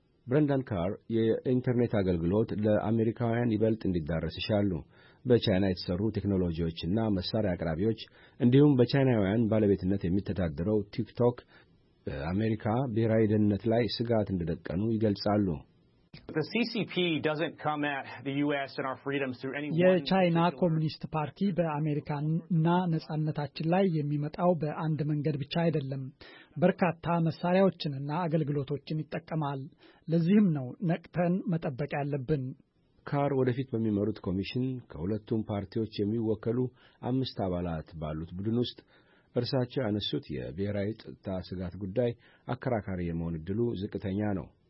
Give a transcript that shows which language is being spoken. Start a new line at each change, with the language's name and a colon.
Amharic: ብራንዳን ካር የኢንተርኔት አገልግሎት ለአሜሪካውያን ይበልጥ እንዲዳረስ ይሻሉ። በቻይና የተሰሩ ቴክኖሎጂዎችና መሳሪያ አቅራቢዎች እንዲሁም በቻይናውያን ባለቤትነት የሚተዳደረው ቲክቶክ በአሜሪካ ብሔራዊ ደህንነት ላይ ስጋት እንደደቀኑ ይገልጻሉ።
English: The CCP doesn't come at the US and our freedoms through any one
Amharic: የቻይና
English: particular...
Amharic: ኮሙኒስት ፓርቲ በአሜሪካና ነጻነታችን ላይ የሚመጣው በአንድ መንገድ ብቻ አይደለም። በርካታ መሳሪያዎችንና አገልግሎቶችን ይጠቀማል። ለዚህም ነው ነቅተን መጠበቅ ያለብን። ካር ወደፊት በሚመሩት ኮሚሽን ከሁለቱም ፓርቲዎች የሚወከሉ 5 አባላት ባሉት ቡድን ውስጥ እርሳቸው አነሱት የብሔራዊ ጸጥታ ስጋት ጉዳይ አከራካሪ የመሆን እድሉ ዝቅተኛ ነው።